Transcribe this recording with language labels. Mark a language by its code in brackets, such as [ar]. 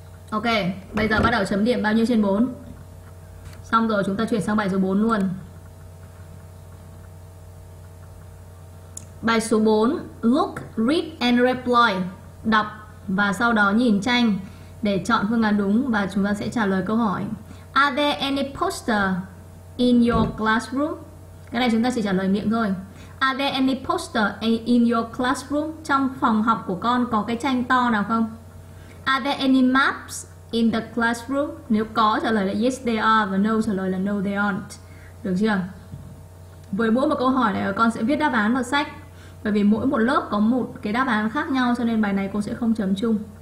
[vi] Ok, bây giờ bắt đầu chấm điểm bao nhiêu trên 4? Xong rồi chúng ta chuyển sang bài số 4 luôn. Bài số 4, [en] look, read and reply. [vi] Đọc và sau đó nhìn tranh để chọn phương án đúng và chúng ta sẽ trả lời câu hỏi. [en] Are there any poster in your classroom? [vi] Cái này chúng ta chỉ trả lời miệng thôi. [en] Are there any poster in your classroom? [vi] Trong phòng học của con có cái tranh to nào không? [en] Are there any maps in the classroom? [vi] Nếu có trả lời là [en] yes they are, [vi] và no trả lời là [en] no they aren't. [vi] Được chưa? Với mỗi một câu hỏi này con sẽ viết đáp án vào sách. Bởi vì mỗi một lớp có một cái đáp án khác nhau, cho nên bài này cô sẽ không chấm chung.